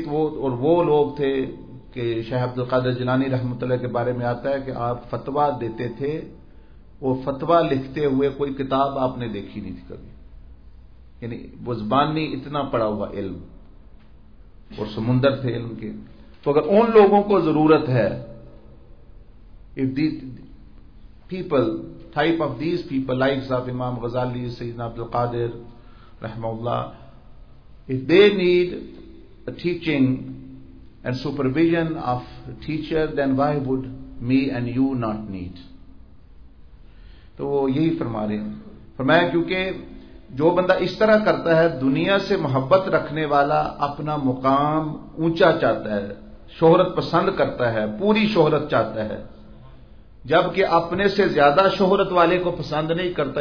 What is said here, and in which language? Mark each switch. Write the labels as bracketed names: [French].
[Urdu] تو وہ لوگ تھے کہ شیخ عبد القادر جیلانی رحمۃ اللہ کے بارے میں آتا ہے کہ آپ فتویٰ دیتے تھے, وہ فتویٰ لکھتے ہوئے کوئی کتاب آپ نے دیکھی نہیں تھی کبھی, یعنی وہ زبانی اتنا پڑا ہوا علم, اور سمندر تھے علم کے. تو اگر ان لوگوں کو ضرورت ہے, [English] if these people, type of these people, like صاحب امام غزالی, سیدنا عبد القادر رحمہ اللہ, if they need a teaching and supervision of a teacher, then why would me and you not need? [Urdu] تو وہ یہی فرما رہے ہیں, فرمایا کیونکہ جو بندہ اس طرح کرتا ہے, دنیا سے محبت رکھنے والا اپنا مقام اونچا چاہتا ہے, شہرت پسند کرتا ہے, پوری شہرت چاہتا ہے, جبکہ اپنے سے زیادہ شہرت والے کو پسند نہیں کرتا.